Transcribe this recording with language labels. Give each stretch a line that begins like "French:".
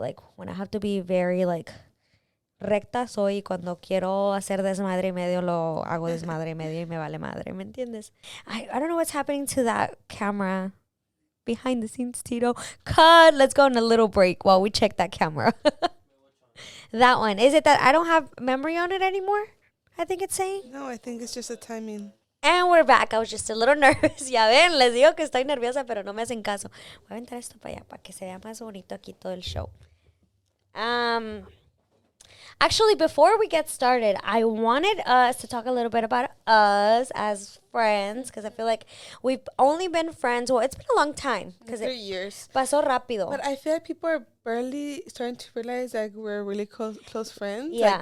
English: Like, when I have to be very, like,
Spanish: recta soy, cuando quiero hacer desmadre y medio, lo hago desmadre y medio y me vale madre. ¿Me entiendes?
English: I don't know what's happening to that camera behind the scenes, Tito. Cut! Let's go on a little break while we check that camera. That one. Is it that I don't have memory on it anymore? I think it's saying. No, I think it's just a timing. And we're back. I was just a little nervous.
Spanish: Ya ven, les digo que estoy nerviosa, pero no me hacen caso. Voy a aventar esto para allá, para que se vea más bonito aquí todo el show.
English: Actually, before we get started, I wanted us to talk a little bit about us as friends, because I feel like we've only been friends. Well, it's been a long time. 3 years.
Spanish: Pasó rápido.
English: But I feel like people are barely starting to realize that like, we're really close friends. Yeah.